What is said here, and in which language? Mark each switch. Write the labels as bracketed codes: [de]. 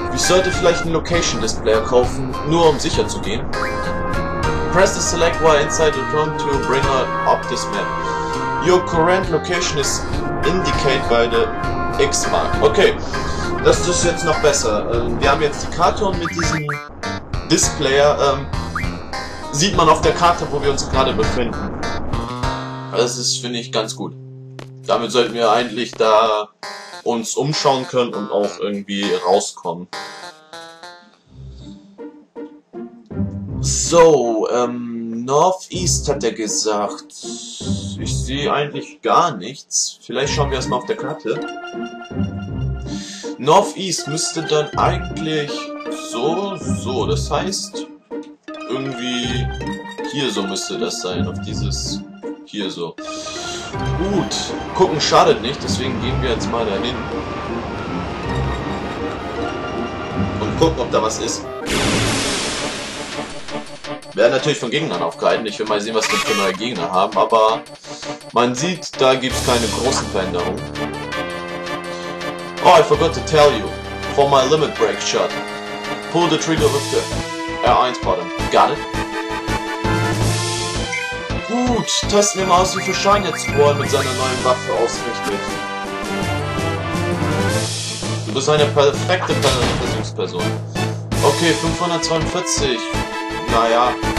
[de] Ich sollte vielleicht einen Location Displayer kaufen, nur um sicher zu gehen. [en] Press the select wire inside the drone to bring up this map. Your current location is indicated by the X mark. [de] Okay, das ist jetzt noch besser. Wir haben jetzt die Karte und mit diesem Displayer sieht man auf der Karte, wo wir uns gerade befinden. Das ist, finde ich, ganz gut. Damit sollten wir eigentlich da uns umschauen können und auch irgendwie rauskommen. So, Northeast hat er gesagt. Ich sehe eigentlich gar nichts. Vielleicht schauen wir erstmal auf der Karte. Northeast müsste dann eigentlich so, das heißt, irgendwie hier so müsste das sein, auf dieses hier so. Gut, gucken schadet nicht, deswegen gehen wir jetzt mal dahin und gucken, ob da was ist. Werden natürlich von Gegnern aufgehalten, ich will mal sehen, was wir für neue Gegner haben, aber man sieht, da gibt es keine großen Veränderungen. [en] Oh, I forgot to tell you, for my limit break shot, pull the trigger with the R1 button. Got it? [de] Gut, testen wir mal aus, wie viel Schaden jetzt Spore mit seiner neuen Waffe ausrichtet. Du bist eine perfekte Versuchsperson. Okay, 542. Naja.